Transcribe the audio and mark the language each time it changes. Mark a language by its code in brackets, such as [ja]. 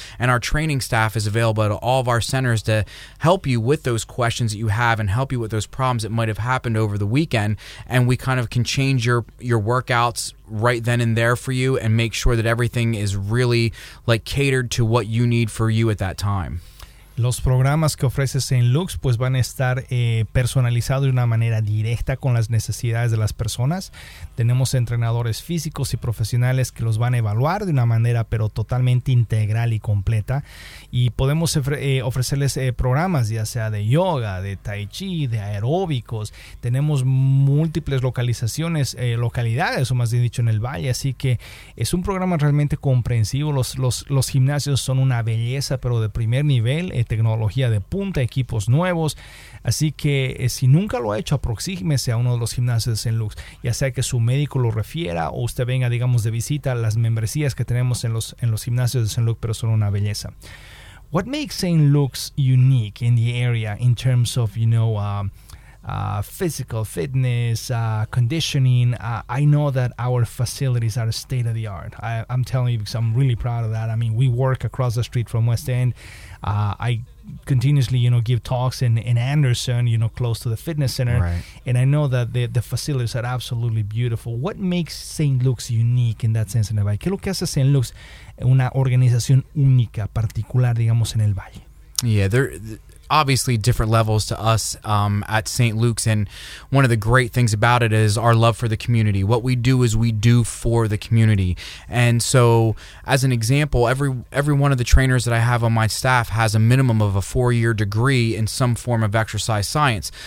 [en] And our training staff is available at all of our centers to help you with those questions that you have and help you with those problems that might have happened over the weekend. And we kind of can change your workouts right then and there for you and make sure that everything is really like catered to what you need for you at that time. [es] Los programas que ofrece St. Luke's pues van a estar personalizados de una manera directa con las necesidades de las personas. Tenemos entrenadores físicos y profesionales que los van a evaluar de una manera pero totalmente integral y completa. Y podemos ofrecerles programas ya sea de yoga, de tai chi, de aeróbicos. Tenemos múltiples localidades, o más bien dicho, en el valle. Así que es un programa realmente comprensivo. Los gimnasios son una belleza, pero de primer nivel. Tecnología de punta, equipos nuevos. Así que si nunca lo ha hecho, aproxímese a uno de los gimnasios de St. Luke's, ya sea que su médico lo refiera o usted venga, digamos, de visita. Las membresías que tenemos en los gimnasios de St. Luke's, pero son una belleza. [en] What makes [es] St. [en] Luke's unique in the area in terms of, you know, physical fitness, conditioning? I know that our facilities are state of the art. I'm telling you because I'm really proud of that. I mean, we work across the street from West End. I continuously, you know, give talks in Anderson, you know, close to the fitness center. Right. And I know that the facilities are absolutely beautiful. What makes St. Luke's unique in that sense in the Valle? [es] ¿Qué es lo que hace [en] St. [es] Luke's una organización única, particular, digamos, en el Valle? [en] Yeah, obviously different levels to us at St. Luke's. And one of the great things about it is our love for the community. What we do is we do for the community. And so as an example, every one of the trainers that I have on my staff has a minimum of a 4-year degree in some form of exercise science.